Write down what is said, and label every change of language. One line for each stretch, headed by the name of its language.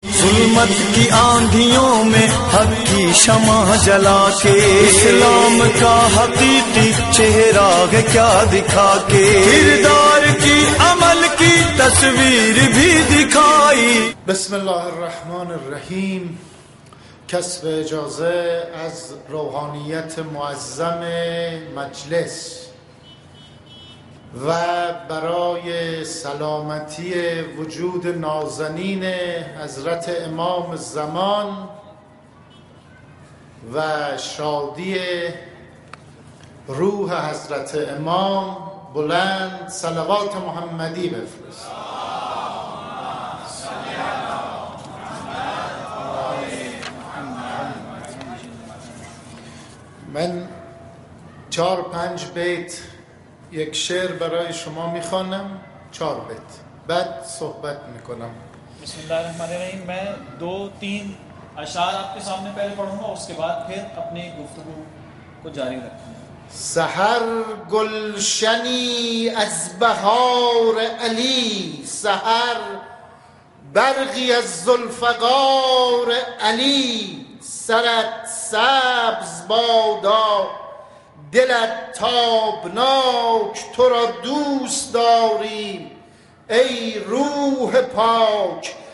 Urdu: قیامت کی آندھیوں میں حق کی شمع جلا کے اسلام کا حقیقی چہرہ ہے کیا دکھا کے کردار کی عمل کی تصویر بھی دکھائی.
Arabic: بسم اللہ الرحمن الرحیم.
Persian: کسب اجازه از روحانیت معظم مجلس و برای سلامتی وجود نازنین حضرت امام زمان و شادی روح حضرت امام بلند صلوات محمدی بفرست. من 4-5 بیت یک شعر برای شما میخوانم، 4 بیت بعد صحبت میکنم.
Arabic: بسم الله الرحمن الرحیم.
Urdu: من 2-3 اشعار آپ کے سامنے پہلے پڑھوں گا، اس کے بعد پھر اپنی گفتگو کو جاری رکھوں گا.
Persian: سحر گلشنی از بهار علی، سحر برقی از ذوالفقار علی، سرت سبز بادا دلت تابناک، تو را دوست داریم ای روح پاک.